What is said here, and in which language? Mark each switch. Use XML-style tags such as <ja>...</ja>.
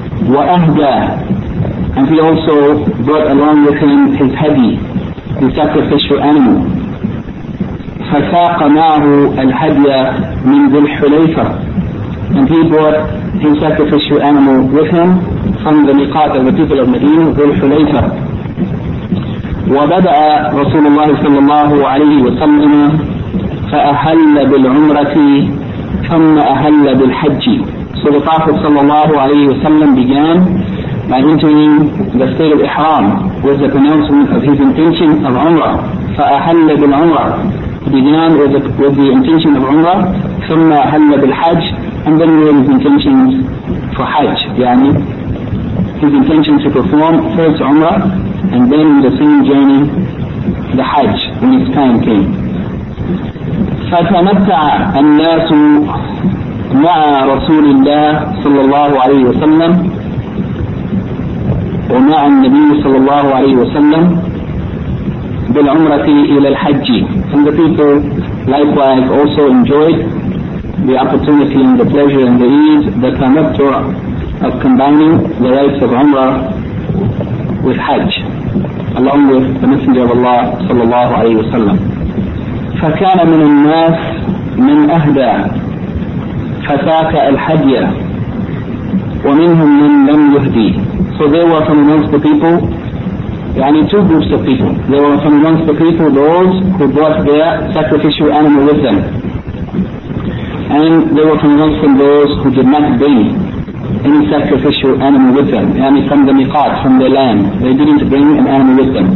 <ar>وَأَهْدَى,</ar> <en>and he also brought along with him his hadi, the sacrificial animal.</en> <ar>فَسَاقَ مَعْهُ الْهَدْيَ مِنْ ذِي الْحُلَيْفَةِ,</ar> <en>and he brought his sacrificial animal with him from the miqat of the people of Medina, ذِي الْحُلَيْفَةِ.</en> <ar>وَبَدَأَ رَسُولُ اللَّهِ صَلَّى اللَّهُ عَلَيْهِ وَسَلَّمَ فأهل بالعمرة ثم أهل بالحج.</ar> <en>So the Prophet sallallahu alayhi wa sallam began by entering the state of Ihram with the pronouncement of his intention of Umrah.</en> <ar>فأهل بالعمرة,</ar> <en>began with the intention of Umrah,</en> <ar>ثم أهل بالحج,</ar> <en>and then with his intentions for Hajj, يعني his intention to perform first Umrah and then in the same journey the Hajj when its time came.</en> <ar>فتمتع الناس مع رسول الله صلى الله عليه وسلم ومع النبي صلى الله عليه وسلم بالعمرة إلى الحج.</ar> <en>And the people likewise also enjoyed the opportunity and the pleasure and the ease, the tamattu of combining the rites of Umrah with Hajj, along with the Messenger of Allah</en> <ar>صلى الله عليه وسلم. فكان من الناس من أهدى فساك الحجية ومنهم من لم يهدي.</ar> <en>So they were from amongst the people, يعني two groups of people. They were from amongst the people those who brought their sacrificial animal with them. And they were from amongst those who did not bring any sacrificial animal with them. يعني from the miqat, from the land. They didn't bring an animal with them.</en>